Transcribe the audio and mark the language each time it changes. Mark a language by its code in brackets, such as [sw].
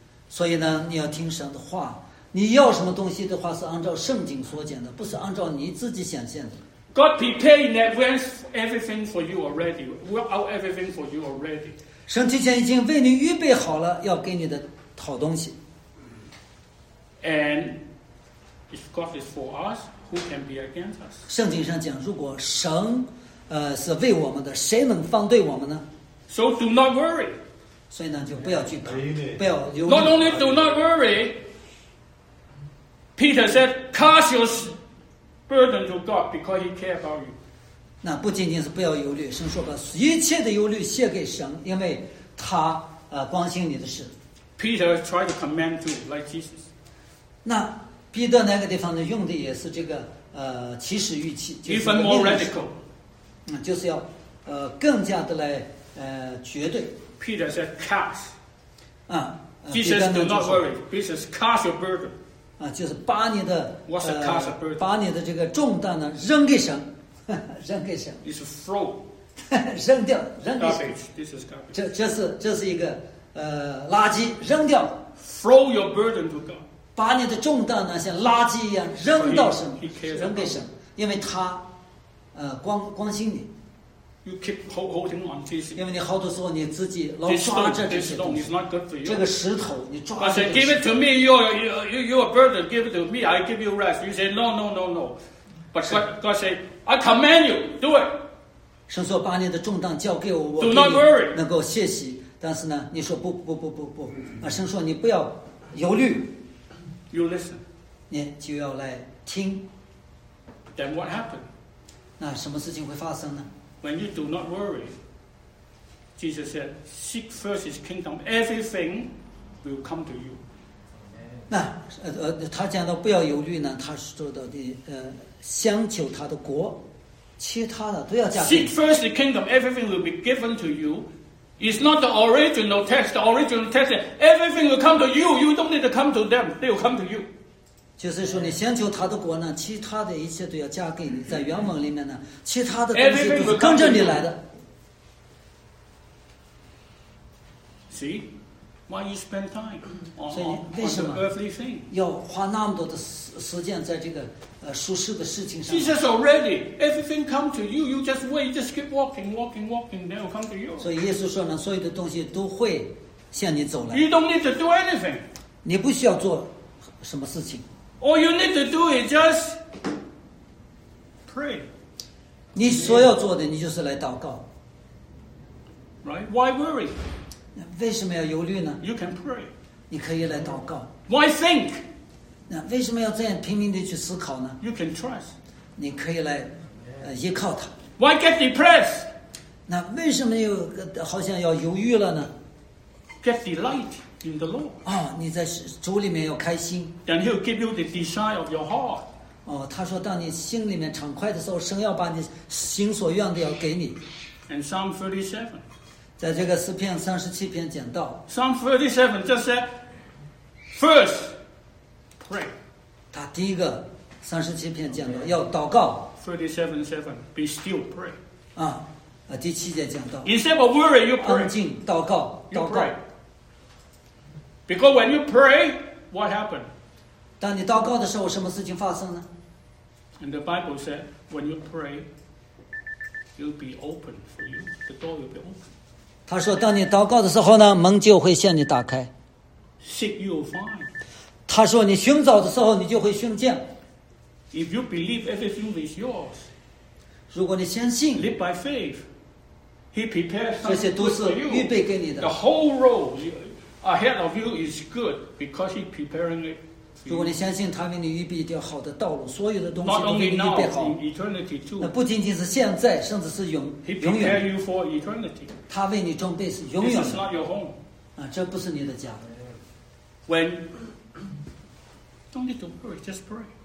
[zh] 所以呢，你要听神的话。你要什么东西的话，是按照圣经所讲的，不是按照你自己想象的。 [en] God prepared in advance everything for you already. Work out everything for you already. [zh] 神提前已经为你预备好了要给你的好东西。 [en] And if God is for us, who can be against us? [zh] 圣经上讲，如果神是为我们的，谁能反对我们呢？ [en] So do not worry. [zh] 所以呢，就不要惧怕，不要忧虑。 [en] Not only do not worry. Peter said, "Cast your burden to God because He cares about you." [zh] 那不仅仅是不要忧虑，神说把一切的忧虑卸给神，因为他关心你的事。 [en] Peter tried to command too, like Jesus. [zh] 那彼得那个地方呢，用的也是这个起始语气，就是 [en] even more radical. [zh] 就是要更加的来绝对。 [en] Peter said, "Cast." Jesus, do not worry. Jesus, cast your burden. [zh] 就是把你的把你的这个重担呢扔给神，扔给神。 [en] It's a throw. [zh] 扔掉，扔掉。 [en] Garbage. This is garbage. [zh] 这是一个垃圾，扔掉。 [en] Throw your burden to God. [zh] 把你的重担呢像垃圾一样扔到神，扔给神，因为他关心你。 [en] You keep holding on this. [zh] 因为你好多时候你自己老抓着这些东西。这个石头你抓着。 [en] I said, give it to me, you're a burden, give it to me, I give you rest. You say, no. But God said, I command you, do it. [zh] 神说把你的重担交给我，我给你。 [en] Do not worry. [zh] 能够歇息，但是呢，你说不。神说你不要忧虑。 [en] You listen. [zh] 你就要来听。 [en] Then what happened? [zh] 那什么事情会发生呢？ [en] When you do not worry, Jesus said, "Seek first His kingdom; everything will come to you." [zh] 那他讲到不要犹豫呢，他说到的先求他的国，其他的都要加给。 [en] Seek first the kingdom; everything will be given to you. It's not the original text. The original text said, "Everything will come to you. You don't need to come to them; they will come to you." [zh] 就是说，你先求他的国呢，其他的一切都要加给你。在原文里面呢，其他的东西都是跟着你来的。 [en] See, why you spend time on the earthly thing? [zh] 要花那么多的时间在这个俗世的事情上。 [en] Jesus already, everything come to you. You just wait, just keep walking, they will come to you. [zh] 所以耶稣说呢，所有的东西都会向你走来。 [en] You don't need to do anything. [zh] 你不需要做什么事情。 [en] All you need to do is just pray. [zh] 你所要做的，你就是来祷告。 [en] Right? Why worry? [zh] 为什么要忧虑呢？ [en] You can pray. [zh] 你可以来祷告。 [en] Why think? [zh] 那为什么要这样拼命地去思考呢？ [en] You can trust. [zh] 你可以来依靠他。 [en] Why get depressed? [zh] 那为什么好像要犹豫了呢？ [en] Get delight. In the Lord. [zh] 你在主里面要开心。 [en] Then He'll give you the desire of your heart. [zh] 他说，当你心里面畅快的时候，神要把你心所愿的要给你。 [en] And Psalm 37. [zh] 在这个诗篇三十七篇讲到。 [en] Psalm 37 just said, first, pray. [zh] 他第一个三十七篇讲到要祷告。 [en] 37:7, be still, pray. [zh] 第七节讲到。 [en] Instead of worry, you pray. [zh] 安静祷告，祷告。 [en] Because when you pray, what happened? [zh] 当你祷告的时候，什么事情发生呢？ [en] And the Bible said, when you pray, it'll be open for you. The door will be open. [zh] 他说，当你祷告的时候呢，门就会向你打开。 [en] Seek, you'll find. [zh] 他说，你寻找的时候，你就会寻见。 [en] If you believe everything is yours, [zh] 如果你相信 [en] live by faith, He prepares something for you. [zh] 这些都是预备给你的。 [en] The whole road. Ahead of you is good because he's preparing it. [zh] 如果你相信他为你预备一条好的道路，所有的东西都给你预备好。 [en] Not only now, in eternity too. [zh] 那不仅仅是现在，甚至是永远。 [en] He prepares you for eternity. [zh] 他为你准备是永远的。 [en] This is not your home. [zh] 这不是你的家。 [en] When don't need to worry, just pray.